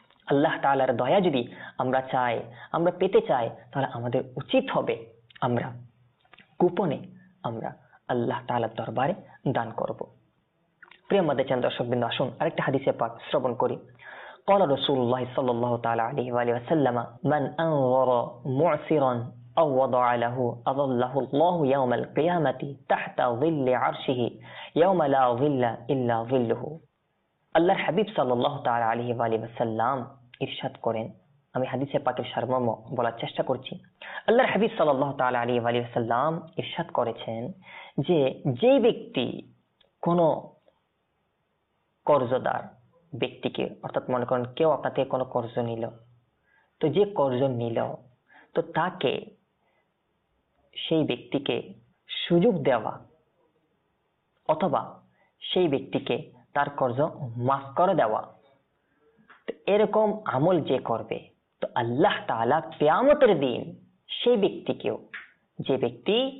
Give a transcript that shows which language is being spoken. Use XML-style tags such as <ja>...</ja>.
<bn>আল্লাহ তাআলার দয়া যদি আমরা চাই, আমরা পেতে চাই, তাহলে আমাদের উচিত হবে আমরা গোপনে আমরা আল্লাহ তাআলার দরবারে দান করব। প্রিয় মাদে চান দর্শকবৃন্দ, আসুন আরেকটা হাদিসে পাক শ্রবণ করি। কাল রসুল্লাহ সাল্লাল্লাহু তাআলা আলাইহি ওয়া সাল্লামা</bn> <ar>মান আনযারা মুসিরান أو وضع له أظله الله يوم القيامة تحت ظل عرشه يوم لا ظل إلا ظله.</ar> <bn>আল্লাহ হাবিব সাল্লাল্লাহু তাআলা আলাইহি ওয়া আলিহি ওয়াসাল্লাম ইরশাদ করেন, আমি হাদিসে পাকের সারমর্ম বলার চেষ্টা করছি, আল্লাহ হাবিব সাল্লাল্লাহু তাআলা আলাইহি ওয়া আলিহি ওয়াসাল্লাম ইরশাদ করেছেন যে যেই ব্যক্তি কোনো কর্জদার ব্যক্তিকে, অর্থাৎ মনে করেন কেউ আপনা থেকে কোনো কর্জ নিল, তো যে কর্জ নিল তো তাকে সেই ব্যক্তিকে সুযোগ দেওয়া অথবা সেই ব্যক্তিকে তার কর্জ মাফ করে দেওয়া, তো এরকম আমল যে করবে তো আল্লাহ তাআলা কিয়ামতের দিন সেই ব্যক্তিকেও, যে ব্যক্তি</bn>